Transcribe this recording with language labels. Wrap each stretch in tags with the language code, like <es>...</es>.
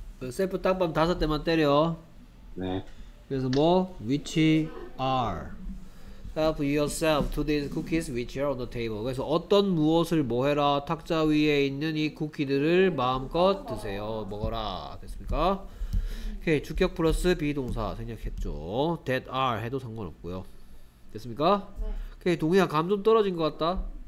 <ko>셀프 딱밤 다섯 대만 때려. 네. 그래서 뭐?</ko> <en>Which are help yourself to these cookies which are on the table.</en> <ko>그래서 어떤 무엇을 뭐 해라. 탁자 위에 있는 이 쿠키들을 마음껏 드세요. 먹어라. 됐습니까? 오케이. 주격 플러스 비동사 생략했죠. That are 해도 상관없고요. 됐습니까? 네. 오케이. 동희야 감 좀 떨어진 것 같다.</ko>